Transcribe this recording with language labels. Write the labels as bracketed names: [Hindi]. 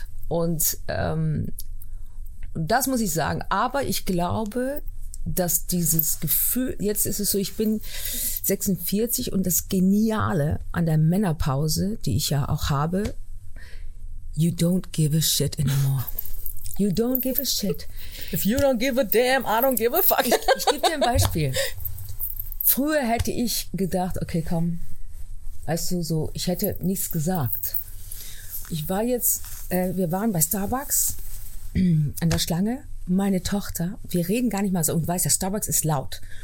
[German] Und das muss ich sagen. Aber ich glaube, dass dieses Gefühl, jetzt ist es so, ich bin 46 und das Geniale an der Männerpause, die ich ja auch habe, [English] you don't give a shit anymore. You don't give a shit. If you don't give a damn, I don't give a fuck. [German] Ich gebe dir ein Beispiel. Früher hätte ich gedacht, okay, komm, weißt du, so, ich hätte nichts gesagt. Ich war jetzt, wir waren bei Starbucks an der Schlange, meine Tochter, wir reden gar nicht mal so, und weißt du, Starbucks ist laut.